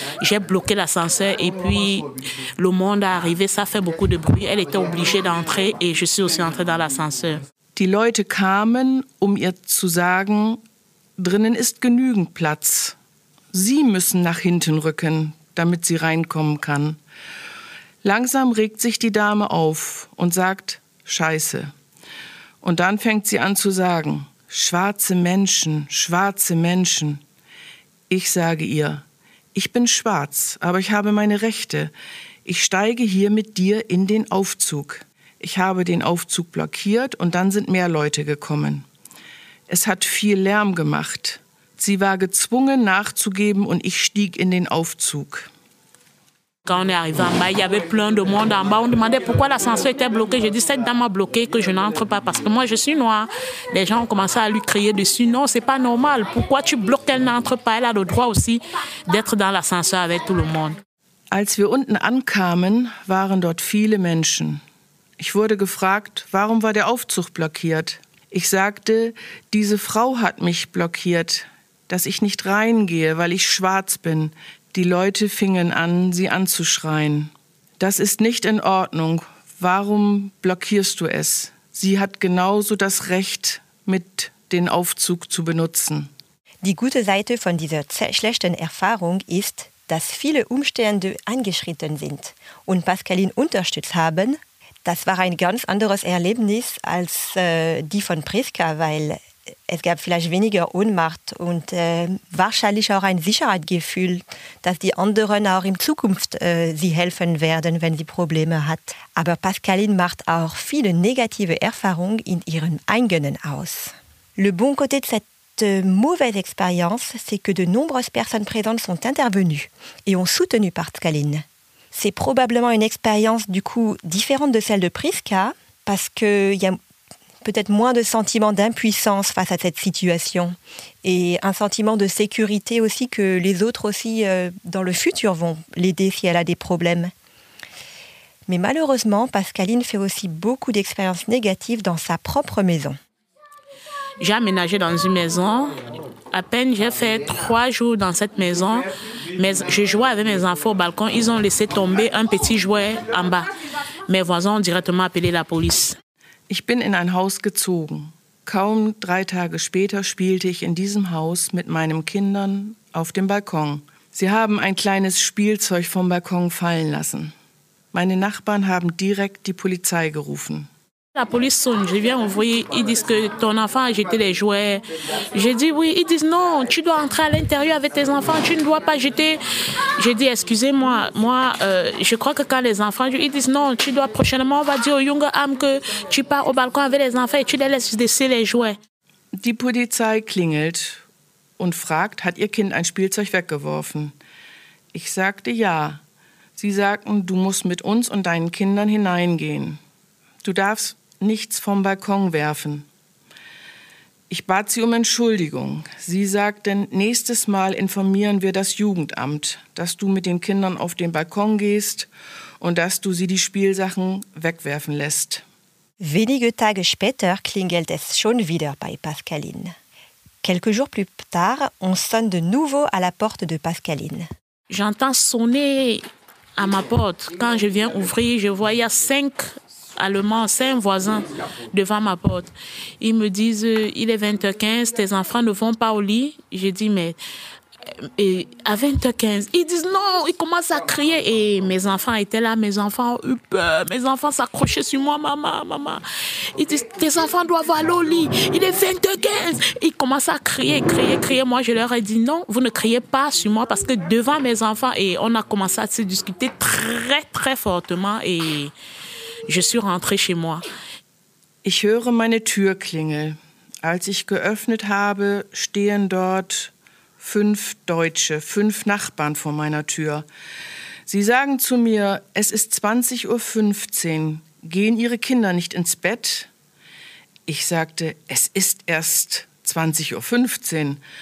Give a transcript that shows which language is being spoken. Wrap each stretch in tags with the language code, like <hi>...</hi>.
<fr>J'ai bloqué l'ascenseur et puis le monde est arrivé, ça fait beaucoup de bruit. Elle était obligée d'entrer et je suis aussi entrée dans l'ascenseur.</fr> <de>Die Leute kamen, um ihr zu sagen, drinnen ist genügend Platz. Sie müssen nach hinten rücken, damit sie reinkommen kann. Langsam regt sich die Dame auf und sagt, Scheiße. Und dann fängt sie an zu sagen, schwarze Menschen, schwarze Menschen. Ich sage ihr, ich bin schwarz, aber ich habe meine Rechte. Ich steige hier mit dir in den Aufzug. Ich habe den Aufzug blockiert und dann sind mehr Leute gekommen. Es hat viel Lärm gemacht. Sie war gezwungen nachzugeben und ich stieg in den Aufzug.</de> <fr>Quand on est arrivé en bas, il y avait plein de monde en bas. On demandait pourquoi l'ascenseur était bloqué. J'ai dit, cette dame a bloqué, que je n'entre pas parce que moi, je suis noire. Les gens ont commencé à lui crier dessus. Non, c'est pas normal. Pourquoi tu bloques qu'elle n'entre pas? Elle a le droit aussi d'être dans l'ascenseur avec tout le monde.</fr> <de>Als wir unten ankamen, waren dort viele Menschen. Ich wurde gefragt, warum war der Aufzug blockiert? Ich sagte, diese Frau hat mich blockiert, dass ich nicht reingehe, weil ich schwarz bin. Die Leute fingen an, sie anzuschreien. Das ist nicht in Ordnung. Warum blockierst du es? Sie hat genauso das Recht, mit den Aufzug zu benutzen. Die gute Seite von dieser schlechten Erfahrung ist, dass viele Umstehende eingeschritten sind und Pascaline unterstützt haben. Das war ein ganz anderes Erlebnis als die von Priska, weil es gab vielleicht weniger Ohnmacht und wahrscheinlich auch ein Sicherheitsgefühl, dass die anderen auch in Zukunft sie helfen werden, wenn sie Probleme hat. Aber Pascaline macht auch viele negative Erfahrungen in ihrem eigenen aus.</de> <fr>Le bon côté de cette mauvaise expérience, c'est que de nombreuses personnes présentes sont intervenues et ont soutenu Pascaline. C'est probablement une expérience du coup différente de celle de Priska parce qu'il y a peut-être moins de sentiment d'impuissance face à cette situation et un sentiment de sécurité aussi que les autres aussi dans le futur vont l'aider si elle a des problèmes. Mais malheureusement, Pascaline fait aussi beaucoup d'expériences négatives dans sa propre maison. J'ai aménagé dans une maison. À peine j'ai fait 3 jours dans cette maison, mais je jouais avec mes enfants au balcon. Ils ont laissé tomber un petit jouet en bas. Mes voisins ont directement appelé la police.</fr> <de>Ich bin in ein Haus gezogen. Kaum 3 Tage später spielte ich in diesem Haus mit meinen Kindern auf dem Balkon. Sie haben ein kleines Spielzeug vom Balkon fallen lassen. Meine Nachbarn haben direkt die Polizei gerufen.</de> <fr>La police sonne, je viens ouvrir, ils disent que ton enfant a jeté les jouets. J'ai dit oui, ils disent non, tu dois entrer à l'intérieur avec tes enfants, tu ne dois pas jeter. J'ai dit excusez-moi, moi, je crois que quand les enfants, ils disent non, tu dois prochainement, on va dire au young homme que tu pars au balcon avec les enfants et tu les laisses laisser les jouets.</fr> <de>Die Polizei klingelt und fragt, hat ihr Kind ein Spielzeug weggeworfen? Ich sagte ja. Sie sagten, du musst mit uns und deinen Kindern hineingehen. Du darfst nichts vom Balkon werfen. Ich bat sie um Entschuldigung. Sie sagten, nächstes Mal informieren wir das Jugendamt, dass du mit den Kindern auf den Balkon gehst und dass du sie die Spielsachen wegwerfen lässt. Wenige Tage später klingelt es schon wieder bei Pascaline.</de> <fr>Quelques jours plus tard, on sonne de nouveau à la porte de Pascaline. J'entends sonner à ma porte. Quand je viens ouvrir, je vois il y a 5 Allemand, c'est un voisin devant ma porte. Ils me disent, il est 20h15, tes enfants ne vont pas au lit. J'ai dit, mais et à 20h15, ils disent non, ils commencent à crier. Et mes enfants étaient là, mes enfants ont eu peur, mes enfants s'accrochaient sur moi, maman, maman. Ils disent, tes enfants doivent aller au lit, il est 20h15. Ils commencent à crier, crier, crier. Moi, je leur ai dit, non, vous ne criez pas sur moi parce que devant mes enfants, et on a commencé à se discuter très, très fortement et je suis rentrée chez moi.</fr> <de>Ich höre meine Türklingel. Als ich geöffnet habe, stehen dort 5 Deutsche, 5 Nachbarn vor meiner Tür. Sie sagen zu mir, es ist 20.15 Uhr. Gehen Ihre Kinder nicht ins Bett? Ich sagte, es ist erst 20.15 Uhr.</de>